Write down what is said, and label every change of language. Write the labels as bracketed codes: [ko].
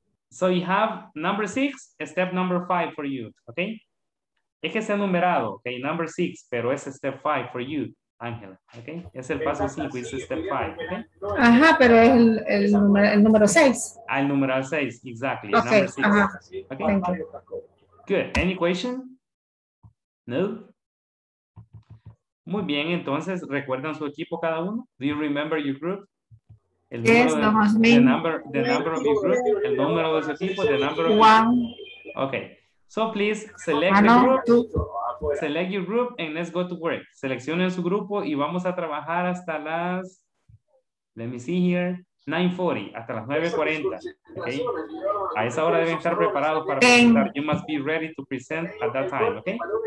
[en] So you have number six, step number five for you, okay? [es] Es que se ha numerado, [en] okay? Number six, [es] pero es [en] step five for you, Ángela, okay? [es] Es el paso cinco, es [en] step five, [es] okay? Ajá, pero es el número seis. Al número seis, [en] exactly. Okay, number six. Ajá. Okay. Thank you. Good. Any question? No? [es] Muy bien, entonces, ¿recuerdan su equipo cada uno? [en] Do you remember your group? El yes, no the number, the number of your group, [es] el número de ese tipo, [en] the number of one. Your group. Ok, so please select the group, two. Select your group and let's go to work. [es] Seleccionen su grupo y vamos a trabajar hasta las, [en] let me see here, [es] 9:40, hasta las 9:40, ok? A esa hora deben estar preparados para presentar. [en] You must be ready to present at that time, ok?